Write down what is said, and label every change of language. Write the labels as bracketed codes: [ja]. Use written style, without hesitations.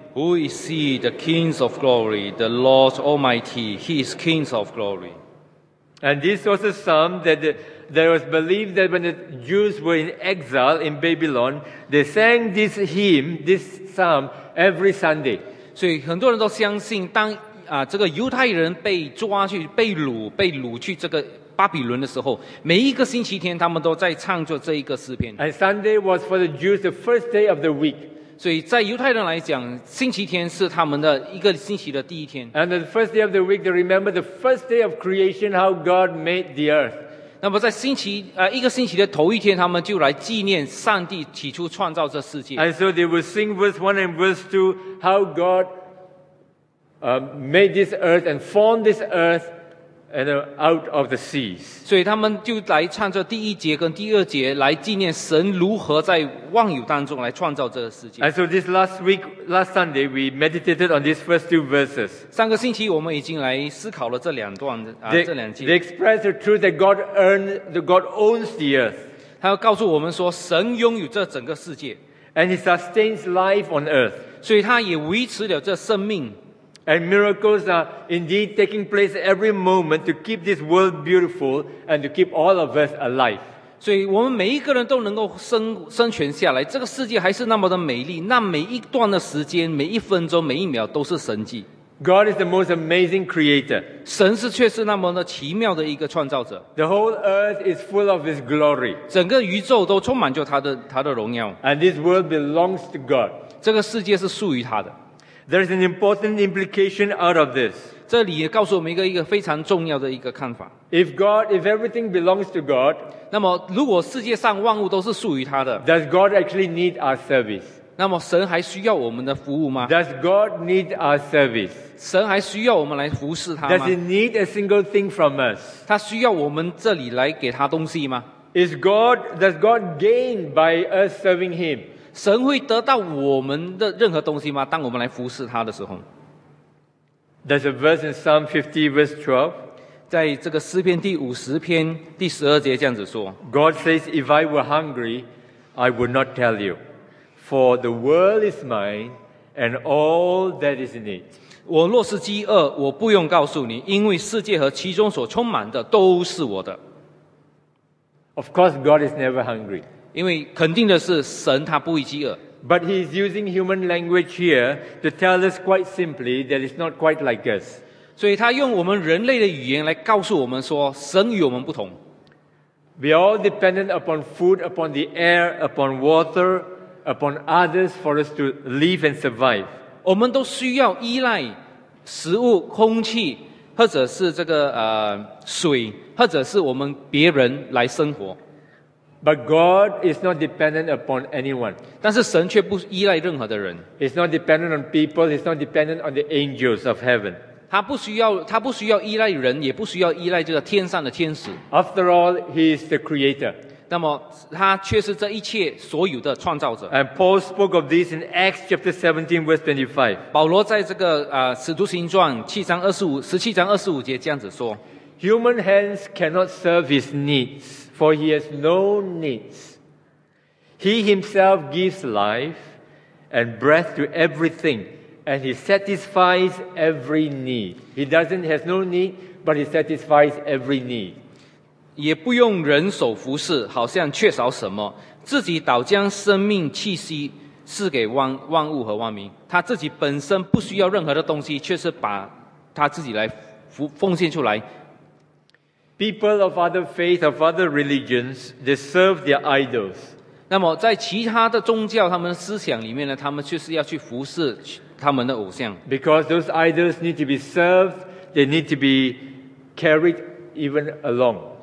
[en] Who is he, the King of Glory? The Lord Almighty, he is King of Glory. And this was a psalm that there was believed that when the Jews were in exile in Babylon, they sang this hymn, this psalm, every Sunday. [zh] 所以很多人都相信当这个犹太人被抓去被掳去这个巴比伦的时候，每一个星期天他们都在唱着这一个诗篇。 [en] And Sunday was for the Jews the first day of the week. [zh] 所以在犹太人来讲，星期天是他们的一个星期的第一天。 [en] And the first day of the week, they remember the first day of creation, how God made the earth. [zh] 那么在一个星期的头一天，他们就来纪念上帝起初创造这世界。 [en] And so they will sing verse 1 and verse 2, how God made this earth and formed this earth. And out of the seas. [zh] 所以他们就来唱着第一节跟第二节，来纪念神如何在万有当中来创造这个世界。 [en] And so this last week, last Sunday, we meditated on these first two verses. [zh] 上个星期我们已经来思考了这两段的这两节。 [en] They express the truth that God owns the earth. [zh] 他告诉我们说，神拥有这整个世界。 [en] And he sustains life on earth. [zh] 所以他也维持了这生命。 [en] And miracles are indeed taking place every moment to keep this world beautiful and to keep all of us alive. [zh] 所以我们每一个人都能够生存下来，这个世界还是那么的美丽，那每一段的时间，每一分钟，每一秒都是神迹。 [en] God is the most amazing creator. [zh] 神是却是那么的奇妙的一个创造者。 [en] The whole earth is full of his glory. [zh] 整个宇宙都充满着他的荣耀。 [en] And this world belongs to God. [zh] 这个世界是属于他的。 [en] There is an important implication out of this. [zh] 这里也告诉我们一个非常重要的一个看法。 [en] If everything belongs to God, [zh] 那么如果世界上万物都是属于他的， [en] does God actually need our service? [zh] 那么神还需要我们的服务吗？ [en] Does God need our service? [zh] 神还需要我们来服侍他吗？ [en] Does he need a single thing from us? [zh] 他需要我们这里来给他东西吗？ [en] Does God gain by us serving him? [zh] 神会得到我们的任何东西吗？当我们来服侍他的时候。 [en] There's a verse in Psalm 50, verse 12. [zh] 在这个诗篇第五十篇第十二节这样子说。 [en] God says, if I were hungry, I would not tell you. For the world is mine, and all that is in it. [zh] 我若是饥饿，我不用告诉你，因为世界和其中所充满的都是我的。 [en] Of course, God is never hungry. [zh] 因为肯定的是神他不会饥饿。 [en] But he is using human language here to tell us quite simply that it's not quite like us. [zh] 所以他用我们人类的语言来告诉我们说神与我们不同。 [en] We are all dependent upon food, upon the air, upon water, upon others for us to live and survive. [zh] 我们都需要依赖食物、空气或者是这个水或者是我们别人来生活。 [en] But God is not dependent upon anyone. [zh] 但是神却不依赖任何的人。 [en] He's not dependent on people. He's not dependent on the angels of heaven. [zh] 他不需要依赖人，也不需要依赖这个天上的天使。 [en] After all, he is the creator. [zh] 那么他却是这一切所有的创造者。 [en] And Paul spoke of this in Acts chapter 17, verse 25. [zh] 保罗在这个使徒行传17章25节这样子说。 [en] Human hands cannot serve his needs, for he has no needs. He himself gives life and breath to everything, and he satisfies every need. He doesn't have no need, but he satisfies every need. [zh] 也不用人手服侍，好像缺少什么，自己倒将生命气息赐给万物和万民。他自己本身不需要任何的东西，却是把他自己来奉献出来。 [en] People of other faith, of other religions, they serve their idols. [zh] 那么在其他的宗教他们的思想里面呢，他们就是要去服侍他们的偶像。 [en] Because those idols need to be served, they need to be carried even along.